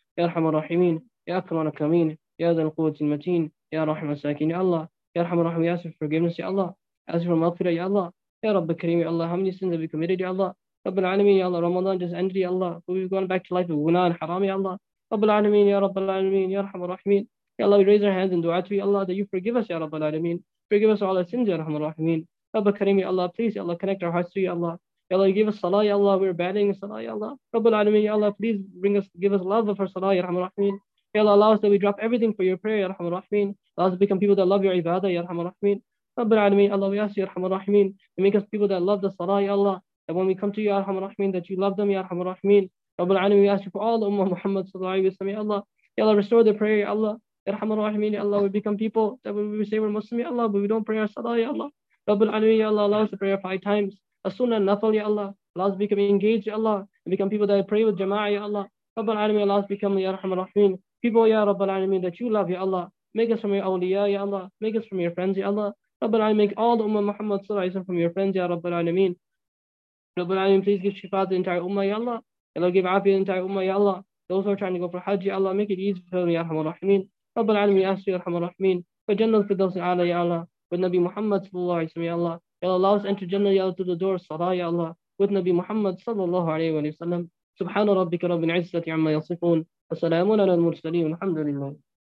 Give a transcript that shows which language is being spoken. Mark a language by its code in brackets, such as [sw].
[ar] يا أرحم الراحمين يا أكرم الأكرمين يا ذا القوة المتين يا رحم الساكين يا الله يا أرحم الراحمين يا أسف [en] forgiveness [ar] يا الله يا أسف المغفرة يا الله يا رب الكريم يا الله [en] how many sins have we committed [ar] يا الله رب العالمين يا الله رمضان [en] just ended [ar] يا الله [en] we've gone back to life of [ar] غناء حرام يا الله رب العالمين يا رب العالمين يا أرحم الراحمين [en] Ya Allah, we raise our hands in dua to you, Allah, that you forgive us, Ya Rabbal Alameen. Forgive us all our sins, Ya Rahman Rahimeen. Rabbah Kareem, Ya Allah, please, Ya Allah, connect our hearts to you, Allah. Ya Allah, you give us salah, Ya Allah, we're battling salah, Ya Allah. Rabbal Alameen, Ya Allah, please bring us, give us love of our salah, Ya Rahman Rahimeen. Ya Allah, allow us that we drop everything for your prayer, Ya Rahman Rahimeen. Allow us to become people that love your ibadah, Ya Rahman Rahimeen. Rabbal Alameen, Allah, we ask you, Ya Rahman Rahimeen, to make us people that love the salah, Ya Allah. That when we come to you, Ya Rahman Rahimeen, that you love them, Ya Rahman Rahimeen. Rabbal Alameen, we ask you for all the Ummah Muhammad, Ya Allah. Ya Allah, restore the prayer, Ya Allah. Ya Rahman Rahimeen, Ya Allah, we become people that we say we're Muslim, Ya Allah, but we don't pray our salah, Ya Allah. Rabbul Alameen, Ya Allah, allow us to pray our five times. As sunnah, nafal, Ya Allah. Allow us to become engaged, Ya Allah, and become people that pray with jama'ah, Ya Allah. Rabbul Alameen, allow us to become, Ya Rahman Rahimeen. People, Ya Rabbul Alameen, that you love, Ya Allah. Make us from your awliya, Ya Allah. Make us from your friends, Ya Allah. Rabbul Alameen, make all the Ummah Muhammad Sallallahu Alaihi Wasallam from your friends, Ya Rabbul Alameen. Rabbul Alameen, please give shifa to the entire Ummah, Ya Allah. Ya Allah, give afiyah to the entire Ummah, Ya Allah. Those who are trying to go for Hajj, Ya Allah, make it easy for them, Ya Rahman Rahimeen. [ar] رب العالمين يا أسر الرحمن الرحمين فجنة الفردوس الأعلى يا الله والنبي محمد صلى الله عليه وسلم يا الله يا الله [en] allow us to enter [ar] جنة يا الله [en] through the door [ar] الصلاة يا الله والنبي محمد صلى الله عليه وسلم سبحان ربك رب العزة عما يصفون والسلام على المرسلين والحمد لله